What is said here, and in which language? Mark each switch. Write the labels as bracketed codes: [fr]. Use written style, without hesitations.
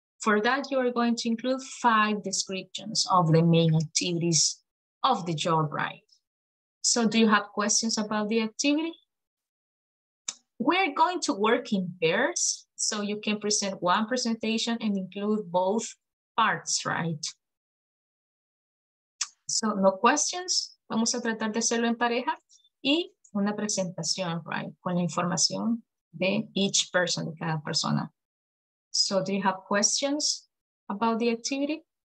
[en] For that, you are going to include 5 descriptions of the main activities of the job, right? So do you have questions about the activity? We're going to work in pairs, so you can present one presentation and include both parts, right? So no questions. [es] Vamos a tratar de hacerlo en pareja y una presentación, right? Con la información de [en] each person, [es] de cada persona. [en] So do you have questions about the activity?